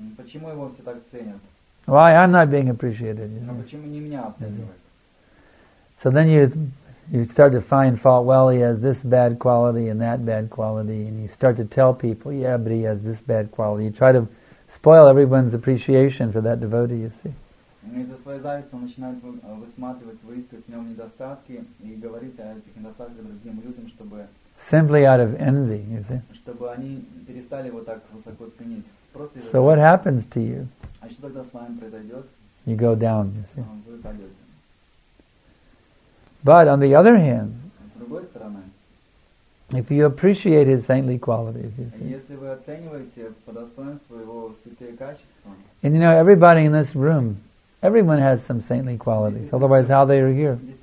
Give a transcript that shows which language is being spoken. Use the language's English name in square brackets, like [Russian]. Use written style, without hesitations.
[Russian] Почему его все так ценят? [English] Why I'm not being appreciated? [Russian] А почему не меня оценивают? [English] So then you start to find fault. Well, he has this bad quality and that bad quality, and you start to tell people, yeah, but he has this bad quality. You try to spoil everyone's appreciation for that devotee, you see. [Russian] И за свою зависть он начинает высматривать, выискивать в нем недостатки и говорить о этих недостатках другим людям, чтобы [English] simply out of envy, you see. [Russian] Чтобы они перестали его так высоко ценить. Просто [English] so what happens to you? [Russian] А что тогда с вами произойдет? [English] You go down, you see. But on the other hand, if you appreciate his saintly qualities, you see, [Russian] если вы оцениваете по достоинству его святые качества, [English] and you know, everybody in this room, everyone has some saintly qualities, otherwise how they are here.